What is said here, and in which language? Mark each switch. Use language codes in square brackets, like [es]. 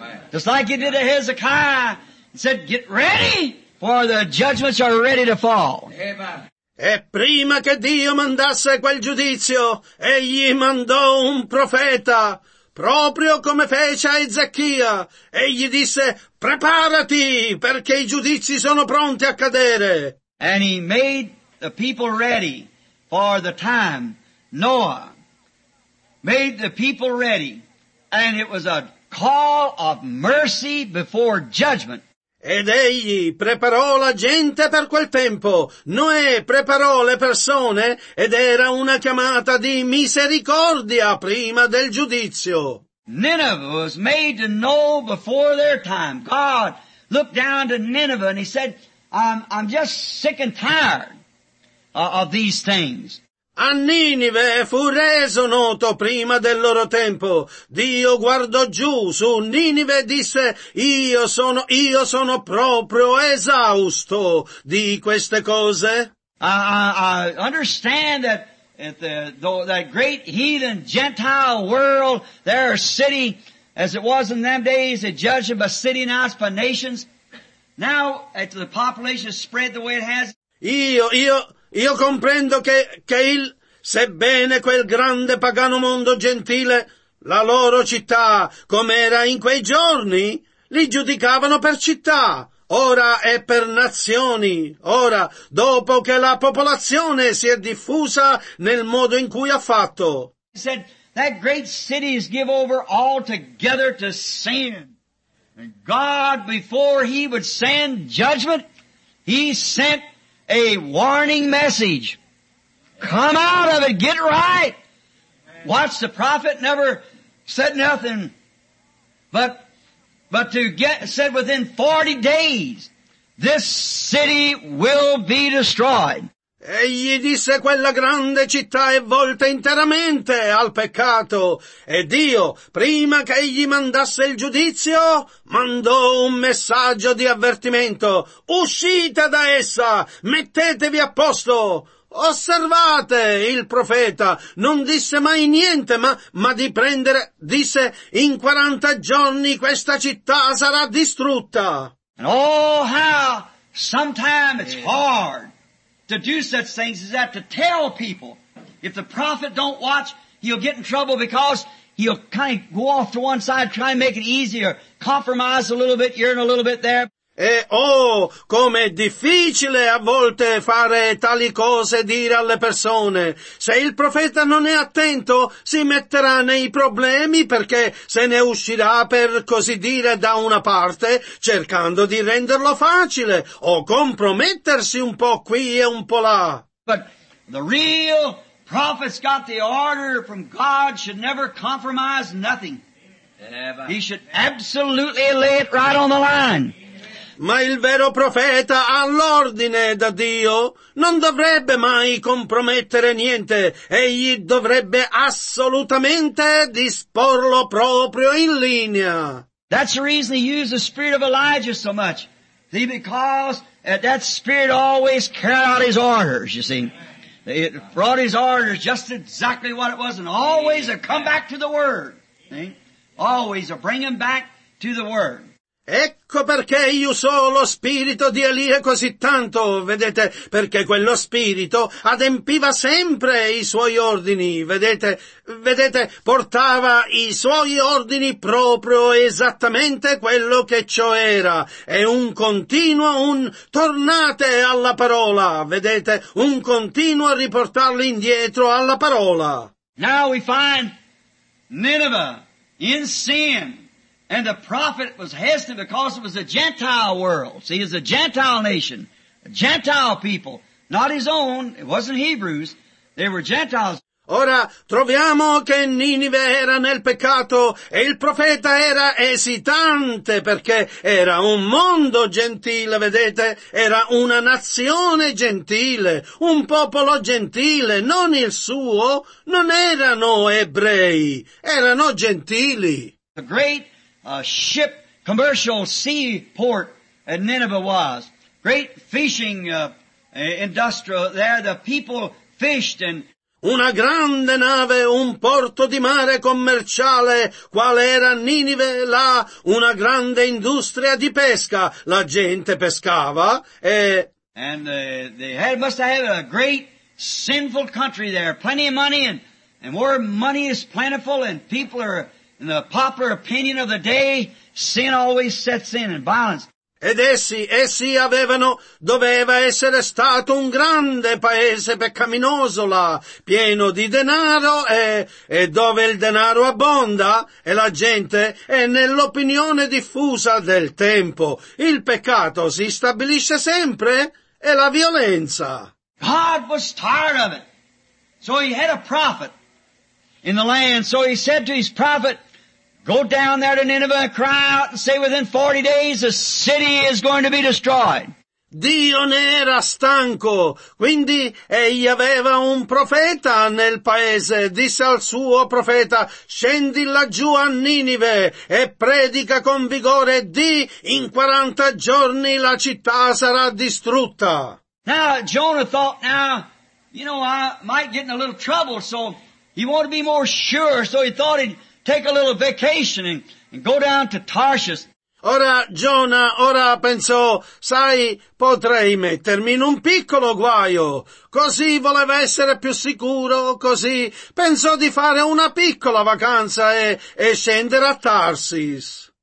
[en] Just like he did to Hezekiah, he said, get ready, for the judgments are ready to fall. [it] E prima che Dio mandasse quel giudizio, egli mandò un profeta, proprio come fece a Ezechia, e gli disse, preparati, perché i giudizi sono pronti a cadere. [en] And he made the people ready for the time. Noah made the people ready, and it was a call of mercy before judgment. [it] Ed egli preparò la gente per quel tempo. Noè preparò le persone ed era una chiamata di misericordia prima del giudizio. [en] Nineveh was made to know before their time. God looked down to Nineveh and he said, I'm just sick and tired of these things. [it] A Ninive fu reso noto prima del loro tempo. Dio guardò giù su Ninive e disse, io sono proprio esausto di queste cose. [en] I understand that that great heathen Gentile world, their city, as it was in them days, they judged by city and house, by nations. Now, the population has spread the way it has. [it] Io comprendo che il, sebbene quel grande pagano mondo gentile, la loro città, come era in quei giorni, li giudicavano per città. Ora è per nazioni. Ora, dopo che la popolazione si è diffusa nel modo in cui ha fatto. [en] He said, that great city is give over altogether to sin. And God, before he would send judgment, he sent a warning message. Come out of it, get right. Watch, the prophet never said nothing, but said within 40 days, this city will be destroyed. [it] Egli disse, quella grande città è volta interamente al peccato. E Dio, prima che egli mandasse il giudizio, mandò un messaggio di avvertimento. Uscite da essa, mettetevi a posto. Osservate, il profeta non disse mai niente, disse, in 40 giorni questa città sarà distrutta. [en] And oh, how sometimes it's hard to do such things as that, to tell people. If the prophet don't watch, he'll get in trouble because he'll kind of go off to one side, try and make it easier, compromise a little bit here and a little bit there. [it] E oh, com'è difficile a volte fare tali cose, dire alle persone. Se il profeta non è attento, si metterà nei problemi perché se ne uscirà, per così dire, da una parte, cercando di renderlo facile, o compromettersi un po' qui e un po' là. [en] But the real prophet's got the order from God, should never compromise nothing. He should absolutely lay it right on the line. [it] Ma il vero profeta ha l'ordine da Dio, non dovrebbe mai compromettere niente, egli dovrebbe assolutamente disporlo proprio in linea. [en] That's the reason he used the spirit of Elijah so much. See, because that spirit always carried out his orders, you see. It brought his orders just exactly what it was, and always a come back to the word. See? Always a bring him back to the word. [it] Ecco perché io so lo spirito di Elia così tanto, vedete, perché quello spirito adempiva sempre i suoi ordini, vedete, portava i suoi ordini proprio esattamente quello che ciò era, è un continuo, un tornate alla parola, vedete, un continuo a riportarli indietro alla parola. [en] Now we find Nineveh in sin. And the prophet was hesitant because it was a Gentile world. See, it's a Gentile nation, a Gentile people, not his own. It wasn't Hebrews. They were Gentiles. [it] Ora, troviamo che Ninive era nel peccato e il profeta era esitante perché era un mondo gentile, vedete? Era una nazione gentile, un popolo gentile, non il suo. Non erano ebrei, erano gentili. [en] The great ship commercial sea port at Nineveh was. Great fishing industrial there. The people fished and... [it] Una grande nave, un porto di mare commerciale, qual era Ninive là, una grande industria di pesca. La gente pescava e... [en] And they must have a great sinful country there. Plenty of money and more money is plentiful and people are... In the popular opinion of the day, sin always sets in and violence. [it] Ed essi avevano, doveva essere stato un grande paese peccaminoso là, pieno di denaro e dove il denaro abbonda e la gente è nell'opinione diffusa del tempo. Il peccato si stabilisce sempre e la violenza. [en] God was tired of it. So he had a prophet in the land. So he said to his prophet, go down there to Nineveh and cry out and say within 40 days the city is going to be destroyed. [it] Dio ne era stanco, quindi egli aveva un profeta nel paese. Disse al suo profeta: scendi laggiù a Ninive e predica con vigore, di in 40 giorni la città sarà distrutta. [en] Now Jonah thought, now, you know, I might get in a little trouble, so he wanted to be more sure, so he thought he'd take a little vacation and go down to Tarshish. [it] Ora Giona, ora pensò, sai, potrei mettermi in un piccolo guaio. Così voleva essere più sicuro, così pensò di fare una piccola vacanza e scendere a Tarsis.